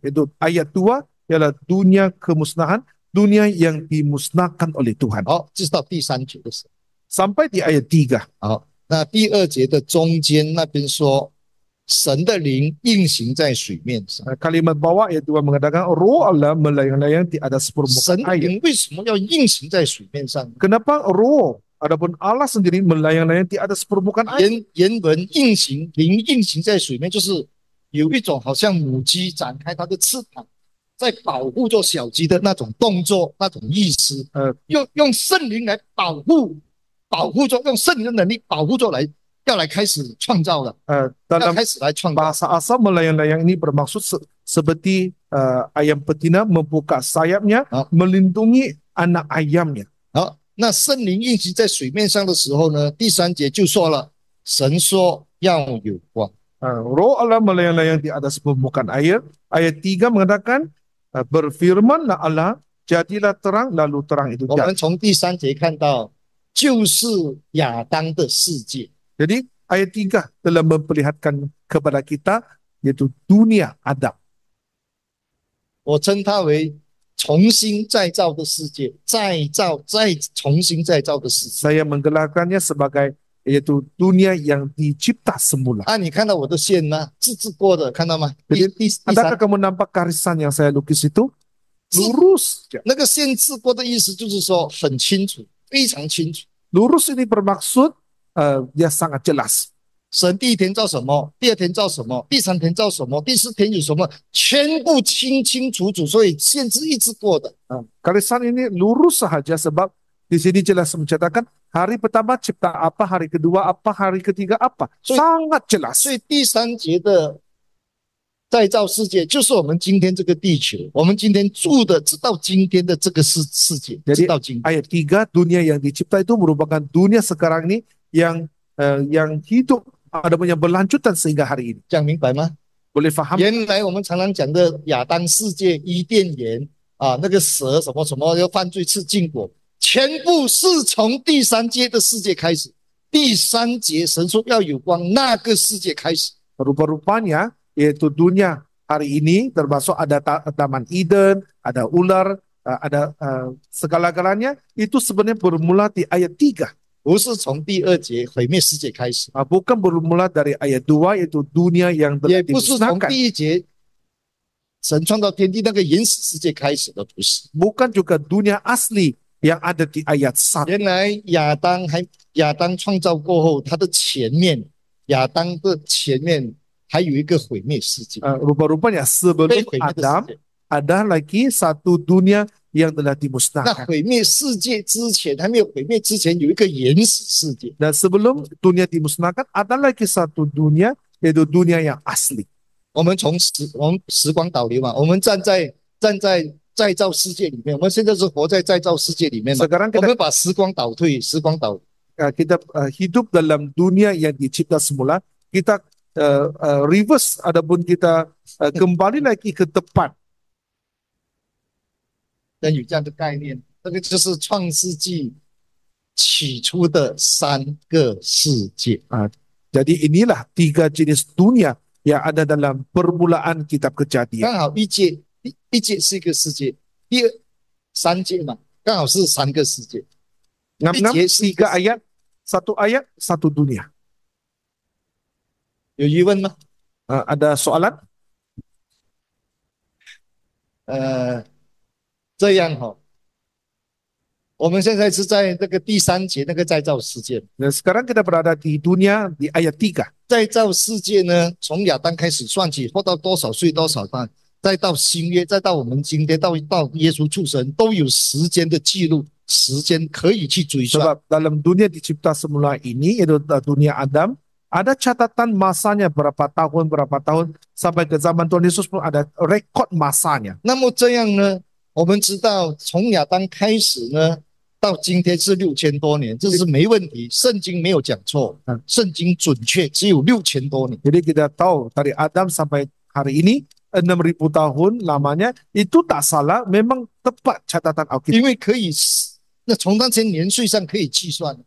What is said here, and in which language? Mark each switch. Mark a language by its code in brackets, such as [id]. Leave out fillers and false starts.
[ms] Itu ayat 2 ialah dunia kemusnahan, dunia yang dimusnahkan oleh Tuhan. [zh] 好，这是到第三节的时候。 [ms] Sampai di ayat 3. [zh] 好，那第二节的中间那边说，神的灵运行在水面上。 [ms] Kalimat bawah iaitu mengatakan roh Allah melayang-layang di atas permukaan air. [zh] 神的灵为什么要运行在水面上？ [ms] Kenapa roh adapun Allah sendiri melayang-layang di atas permukaan air? [zh] 原文运行，灵运行在水面，就是有一种好像母鸡展开它的翅膀，在保护着小鸡的那种动作，那种意思。用圣灵来保护，保护着，用圣灵的能力保护着来。要来开始创造了，要开始来创造。 [ms] Bahasa asal melayang-layang ini bermaksud seperti ayam betina membuka sayapnya melindungi anak ayamnya. [zh] 好，那圣灵运行在水面上的时候呢？第三节就说了，神说要有光。 [ms] Roh Allah melayang-layang di atas permukaan air. Ayat 3 mengatakan berfirmanlah Allah, jadilah terang, lalu terang itu jadi. [zh] 我们从第三节看到，就是亚当的世界。 [ms] Jadi ayat 3 telah memperlihatkan kepada kita yaitu dunia Adam. [zh] 我称它为重新再造的世界，再造再重新再造的世界。 [ms] Saya menggelarkannya sebagai yaitu dunia yang dicipta semula. [zh] 你看到我的线吗？自制过的，看到吗？ [ms] Jadi, adakah kamu nampak garisan yang saya lukis itu? Lurus. [zh] 那个线自过的意思就是说很清楚，非常清楚。 [ms] Lurus ini bermaksud dia sangat jelas. [zh] 神第一天造什么，第二天造什么，第三天造什么，第四天有什么，全部清清楚楚，所以限制一直过的。 [ms] Garisan ini lurus sahaja sebab di sini jelas mencatatkan hari pertama cipta apa, hari kedua apa, hari ketiga apa, sangat jelas. [zh] 所以第三节的再造世界就是我们今天这个地球，我们今天住的，直到今天的这个世界，直到今天。 [ms] Ayat 3 dunia yang dicipta itu merupakan dunia sekarang ini. Yang hidup adapun yang berlanjutan sehingga hari ini. [zh] 讲明白吗？ [ms] Boleh faham? [zh] 原来我们常常讲的亚当世界伊甸园啊，那个蛇什么什么要犯罪吃禁果，全部是从第三阶的世界开始。第三阶神说要有光，那个世界开始。 [ms] Rupa-rupanya yaitu dunia hari ini termasuk ada taman Eden, ada ular, ada segala-galanya itu sebenarnya bermula di ayat 3. [zh] 不是从第二节毁灭世界开始。 [ms] Bukan bermula dari ayat 2 yaitu dunia yang telah [zh] 也不是从第一节神创造天地那个原始世界开始的，不是。 [ms] Bukan juga dunia asli yang ada di ayat 1. [zh] 原来亚当创造过后，他的前面，亚当的前面还有一个毁灭世界。 [ms] Rupa-rupanya sebelum Adam ada lagi satu dunia. Yang telah dimusnahkan. [zh] 那毁灭世界之前，还没有毁灭之前，有一个原始世界。 [ms] Dan sebelum dunia dimusnahkan, ada lagi satu dunia, yaitu dunia yang asli. [zh] 我们时光倒流嘛，我们站在再造世界里面，我们现在是活在再造世界里面嘛。 [ms] Sekarang kita, [zh] 我们把时光倒退，时光倒。 [ms] Kita hidup dalam dunia yang dicipta semula, kita reverse ataupun kita kembali lagi ke depan. [zh] 有这样的概念，这个就是创世纪起初的三个世界 [ms] 啊。Jadi inilah tiga jenis dunia yang ada dalam permulaan kitab kejadian. [zh] 刚好一节是一个世界，第二三节嘛，刚好是三个世界。一节是一个 [ms] ayat, satu ayat satu dunia. [zh] 有疑问吗？ [ms] Ada soalan? [zh] 这样哈，我们现在是在那个第三节那个再造世界。 [ms] 那 sekarang kita berada di dunia di ayat 3。 [zh] 再造世界呢，从亚当开始算起，活到多少岁多少代，再到新约，再到我们今天，到耶稣出生，都有时间的记录，时间可以去追算。 [ms] Sebab dalam dunia dicipta semula ini, yaitu dunia Adam, ada catatan masanya berapa tahun sampai ke zaman Tuhan Yesus pun ada rekod masanya. [zh] 那么这样呢？我们知道从亚当开始呢到今天是六千多年，这是没问题，圣经没有讲错，圣经准确，只有六千多年。 [ms] Jadi kita tahu dari Adam sampai hari ini 6000 tahun lamanya itu tak salah, memang tepat catatan Alkitab. [zh] 因为可以那从当前年岁上可以计算。